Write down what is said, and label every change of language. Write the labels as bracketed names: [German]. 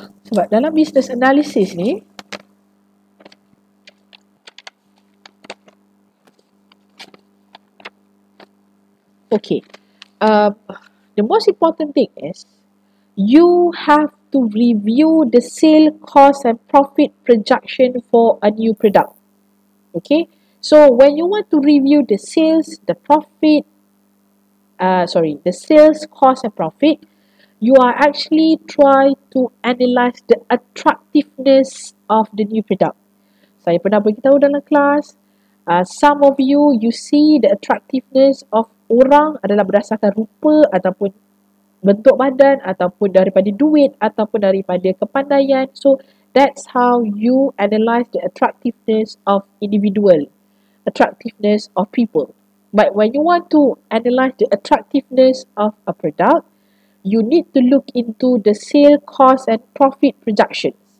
[Malay] Sebab dalam [English] business analysis ni, okay, the most important thing is you have to review the sale cost and profit projection for a new product. Okay, so when you want to review the sales, the profit, the sales cost and profit, you are actually try to analyze the attractiveness of the new product. [Malay] Saya pernah beritahu dalam kelas, [English] some of you see the attractiveness of [Malay] orang adalah berdasarkan rupa ataupun bentuk badan ataupun daripada duit ataupun daripada kepandaian. [English] So that's how you analyze the attractiveness of individual, attractiveness of people. But when you want to analyze the attractiveness of a product, you need to look into the sale cost and profit projections.